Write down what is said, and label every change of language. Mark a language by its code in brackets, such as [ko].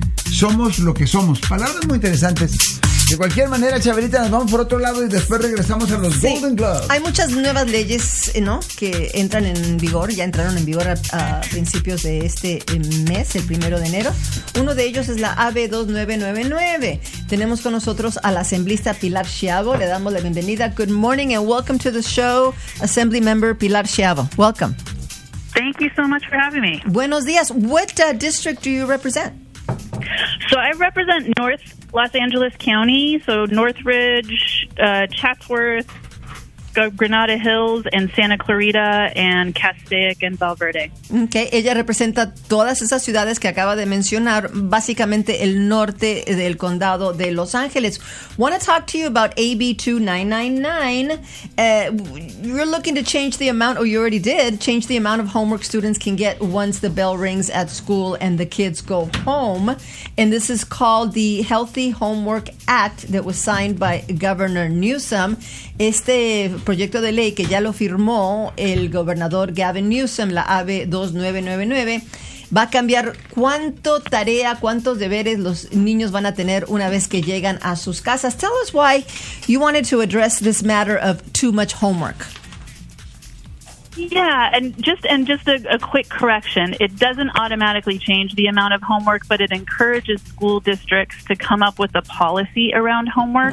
[es] Somos lo que somos. Palabras muy interesantes. De cualquier manera, Chaverita, nos vamos por otro lado y después regresamos a los Golden Globes. Hay muchas nuevas leyes, ¿no?, que entran en vigor, ya entraron en vigor a principios de este mes, el primero de enero. Uno de ellos es la AB2999. Tenemos con nosotros a la asemblista Pilar Schiavo. Le damos la bienvenida. [en] Good morning and welcome to the show, Assembly Member Pilar Schiavo. Welcome. Thank you so much for having me. [es] Buenos días. [en] What district do you represent? So I represent North Los Angeles County, so Northridge, Chatsworth, Granada Hills, and Santa Clarita, and Castaic, and Valverde. [es] Okay, ella representa todas esas ciudades que acaba de mencionar, básicamente el norte del condado de Los Ángeles. [en] Want to talk to you about AB2999. You're looking to change the amount, or you already did, change the amount of homework students can get once the bell rings at school and the kids go home. And this is called the Healthy Homework Act that was signed by Governor Newsom. [es] Este proyecto de ley que ya lo firmó el gobernador Gavin Newsom, la AB2999, va a cambiar cuántos deberes los niños van a tener una vez que llegan a sus casas. [en] Tell us why you wanted to address this matter of too much homework. Yeah, and just a quick correction. It doesn't automatically change the amount of homework, but it encourages school districts to come up with a policy around homework.